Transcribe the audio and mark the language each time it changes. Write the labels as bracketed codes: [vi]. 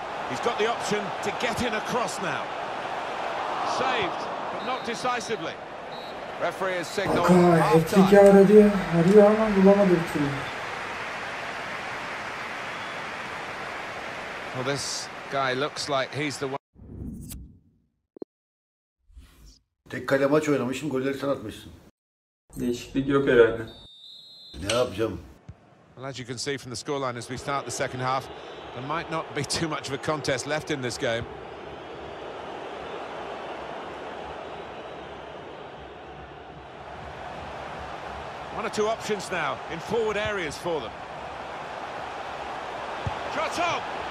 [en] He's got the option to get in a cross now. Saved, but not decisively. Referee has signaled. Well, this guy looks like he's the one. [tr] Tek kale maç oynamışsın, golleri sen atmışsın. Değişiklik yok herhalde. Ne yapacağım? [en] Well, as you can see from the scoreline as we start the second half, there might not be too much of a contest left in this game. One or two options now in forward areas for them. Shot up!